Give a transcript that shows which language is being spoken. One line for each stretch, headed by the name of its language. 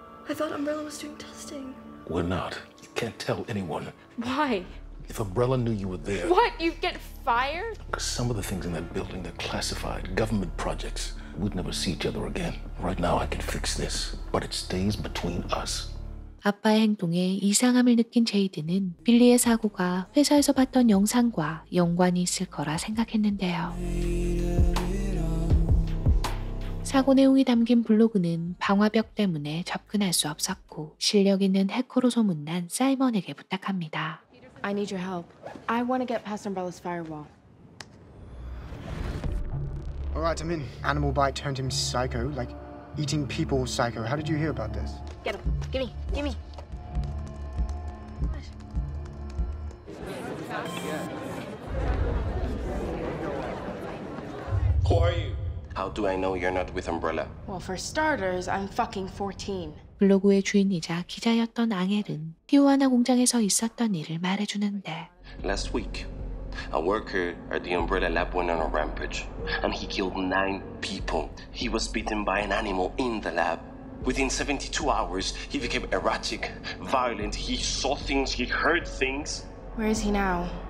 English: I thought Umbrella was doing testing. We're not. You can't tell anyone. Why? If Umbrella knew you were there... What? You'd get fired? Some of the things in that building, they're classified government projects. We'd never see each other again. Right now I can fix this, but it stays between us.
Korean: 아빠의 행동에 이상함을 느낀 제이드는 빌리의 사고가 회사에서 봤던 영상과 연관이 있을 거라 생각했는데요. 사고 내용이 담긴 블로그는 방화벽 때문에 접근할 수 없었고 실력 있는 해커로 소문난 사이먼에게 부탁합니다.
English: I need your help. I want to get past Umbrella's firewall. All right, I'm in. Animal bite turned him psycho, like eating people psycho. How did you hear about this? Get him. Give me. Give me. Who are you? How do I know you're not with Umbrella? Well, for starters, I'm fucking 14.
Korean: 블로그의 주인이자 기자였던 앙헬은 티오아나 공장에서 있었던 일을 말해주는데
English: Last week, a worker at the Umbrella Lab went on a rampage and he killed 9 people. He was bitten by an animal in the lab. Within 72 hours, he became erratic, violent. He saw things, he heard things. Where is he now?